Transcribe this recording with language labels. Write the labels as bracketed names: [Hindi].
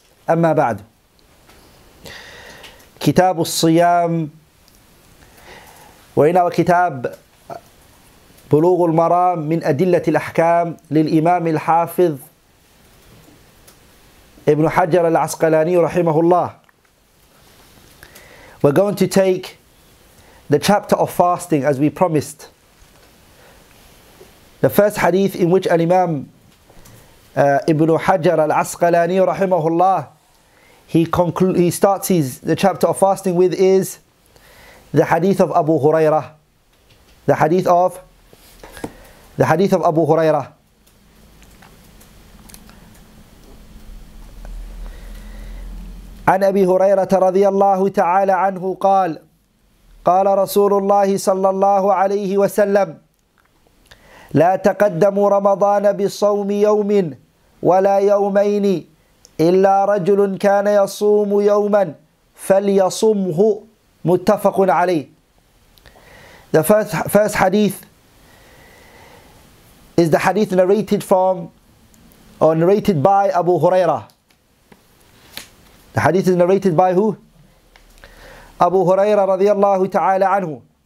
[Arabic] أما بعد، كتاب الصيام وإنه كتاب بلوغ المرام من أدلة الأحكام للإمام الحافظ ابن حجر العسقلاني رحمه الله. [English] We're going to take the chapter of fasting as we promised. The first hadith in which Al-Imam Ibn Hajar Al-Asqalani rahimahullah, he starts the chapter of fasting with is the hadith of Abu Hurairah. The hadith of Abu Hurairah. [Arabic] عن أبي هريرة رضي الله تعالى عنه قال قال رسول الله صلى الله عليه وسلم لا تقدموا رمضان بصوم يوم ولا يومين إلا رجل كان يصوم يوما فليصمه. متفق عليه. [English] The first hadith is the hadith narrated by Abu Huraira. The hadith is narrated by who? Abu Huraira radiallahu ta'ala anhu.